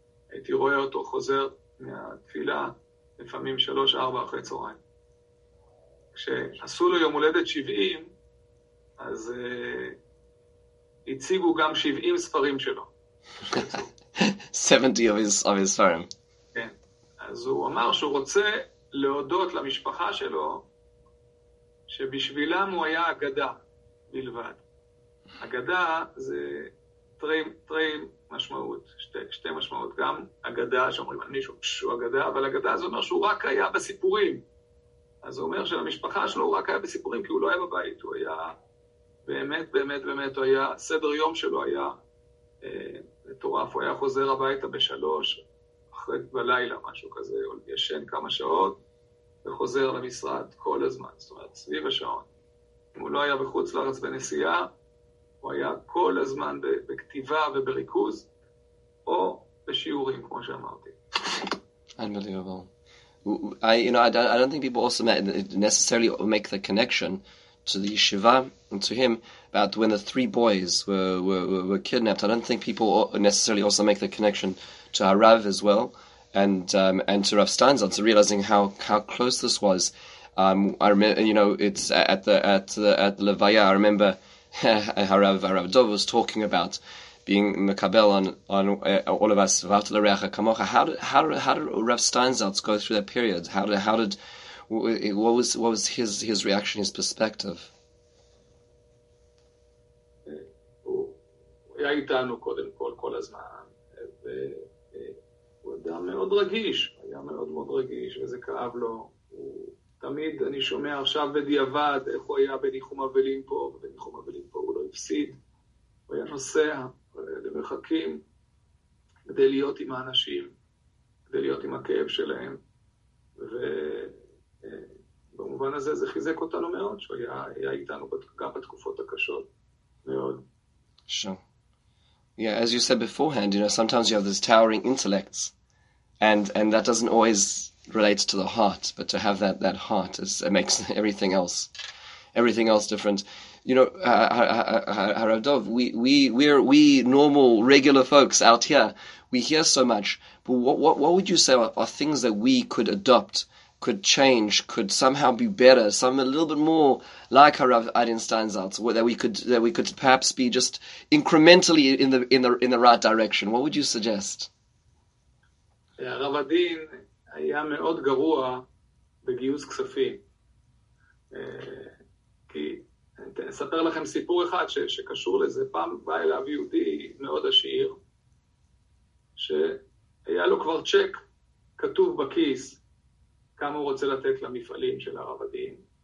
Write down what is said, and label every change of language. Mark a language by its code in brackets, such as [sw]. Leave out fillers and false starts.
[he] הייתי רואה אותו חוזר מהתפילה לפעמים 3-4 אחרי צהריים. כשעשו לו יום הולדת 70, אז הציגו גם 70 ספרים שלו. [en] 70 of his ספרים. [he] כן. אז הוא אמר שהוא רוצה להודות למשפחה שלו, שבשבילם הוא היה אגדה בלבד. אגדה זה טריים משמעות, שתי משמעות, גם אגדה שאומרים על מישהו שהוא אגדה, אבל אגדה זה אומר שהוא רק היה בסיפורים. אז זה אומר שלמשפחה שלו הוא רק היה בסיפורים, כי הוא לא היה בבית, הוא היה באמת, באמת, באמת, הוא היה, סדר יום שלו היה מטורף, הוא היה חוזר הביתה בשלוש, אחרי בלילה, משהו כזה, או ישן כמה שעות, וחוזר למשרד כל הזמן, זאת אומרת, סביב השעון. אם הוא לא היה בחוץ לארץ בנסיעה, הוא היה כל הזמן בכתיבה ובריכוז, או בשיעורים, כמו שאמרתי. [en] Unbelievable. I don't think people also necessarily make the connection to the yeshiva and to him about when the three boys were kidnapped. I don't think people necessarily also make the connection to our Rav as well and to Rav Steinzel, to realizing how close this was. I remember, you know, it's at the Levaya. I remember Harav Dov was talking about being mekabel on all of us, [he] v'avta l'reacha kamocha. [en] How did Rav Steinzaltz go through that period? What was his reaction, his perspective? [he] הוא היה איתנו קודם כל, כל הזמן, והוא אדם מאוד רגיש, היה מאוד מאוד רגיש, וזה כאב לו. תמיד אני שומע עכשיו בדיעבד איך הוא היה בניחום אבלים פה, ובניחום אבלים פה הוא לא הפסיד. הוא היה נוסע למרחקים כדי להיות עם האנשים, כדי להיות עם הכאב שלהם, ובמובן הזה זה חיזק אותנו מאוד, שהוא היה איתנו גם בתקופות הקשות מאוד. [en] Sure. Yeah, as you said beforehand, you know, sometimes you have these towering intellects, and that doesn't always relate to the heart, but to have that heart it makes everything else different. You know, Harav Dov, we're normal, regular folks out here, we hear so much, but what would you say are things that we could adopt, could change, could somehow be better, some a little bit more like Harav Adin Steinzaltz, that we could perhaps be just incrementally in the right direction? What would you suggest? [he] Harav Adin היה מאוד גרוע בגיוס כספים. כי אני אספר לכם סיפור אחד שקשור לזה. פעם בא אליו יהודי מאוד עשיר, שהיה לו כבר צ'ק כתוב בכיס כמה הוא רוצה לתת למפעלים של הרב הדין.